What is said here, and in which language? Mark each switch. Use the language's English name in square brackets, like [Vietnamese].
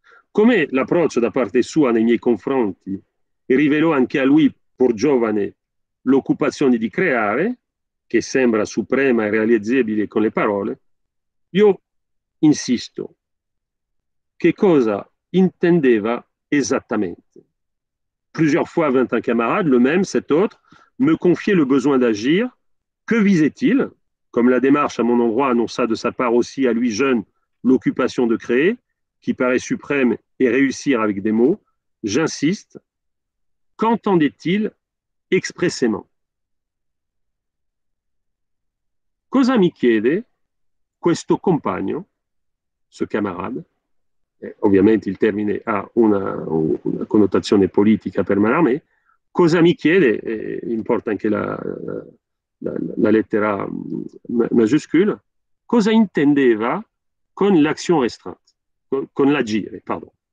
[Italian] Come l'approccio da parte sua nei miei confronti rivelò anche a lui, pur giovane, l'occupazione di creare, che sembra suprema e realizzabile con le parole, io insisto, che cosa intendeva esattamente? [French] Plusieurs fois vint un camarade, le même, cet autre, me confiait le besoin d'agir. Que visait-il? Comme la démarche à mon endroit annonça de sa part aussi à lui jeune l'occupation de créer, qui paraît suprême et réussir avec des mots, j'insiste, qu'entendait-il expressément? [Italian] Cosa mi chiede questo compagno, [French] ce camarade, [Italian] ovviamente il termine ha una connotazione politica per Mallarmé, cosa mi chiede, importa anche la lettera maggiuscola, cosa intendeva con [French] l'action restreinte, [Italian] con l'agire, pardon.